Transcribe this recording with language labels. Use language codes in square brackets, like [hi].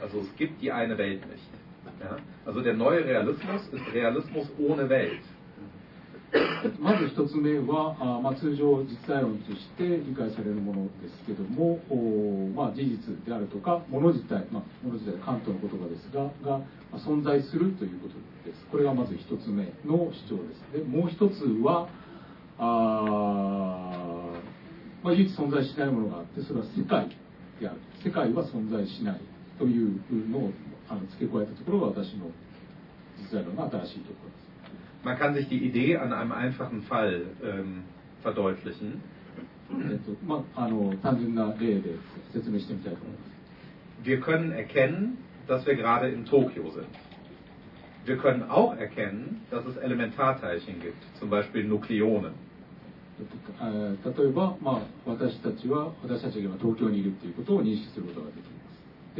[de] Also es gibt die eine Welt nicht. Ja? Also der neue Realismus ist Realismus ohne Welt. [ja] まず一つ目は、まあ、通常実在論として理解されるものですけども、まあ、事実であるとか物自体、まあ、物自体はカントの言葉ですが、が、まあ、存在するということです。これがまず一つ目の主張です。でもう一つは、まあ、唯一存在しないものがあって、それは世界である、世界は存在しないというのを付け加えたところが私の実在論の新しいところです。 [de] Man kann sich die Idee an einem einfachen Fall verdeutlichen. [ja] まあ、単純な例で説明してみたいと思います。 [de] Wir können erkennen, dass wir gerade in Tokio sind. Wir können auch erkennen, dass es Elementarteilchen gibt, zum Beispiel Nukleonen. [ja] 例えば、まあ、私たちが今東京にいるということを認識することができます。